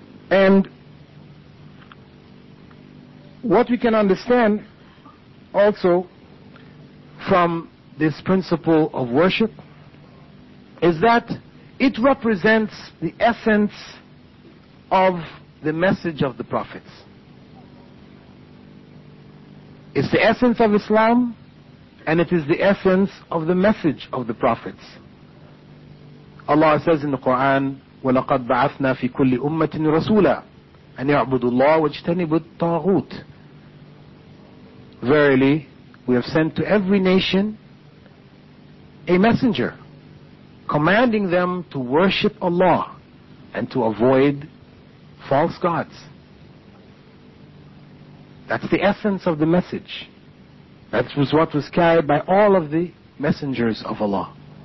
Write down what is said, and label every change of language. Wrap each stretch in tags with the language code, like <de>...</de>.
<en>And what we can understand also from this principle of worship is that it represents the essence of the message of the prophets. It's the essence of Islam, and it is the essence of the message of the prophets. Allah says in the Quran,</en> <ar>وَلَقَدْ بَعَثْنَا فِي كُلِّ أُمَّةٍ رَسُولًا أَنْ يَعْبُدُ اللَّهُ وَاجْتَنِبُ الطَّاغُوتِ.</ar> <en>Verily, we have sent to every nation a messenger, commanding them to worship Allah and to avoid false gods. That's the essence of the message. That was what was carried by all of the messengers of Allah.</en>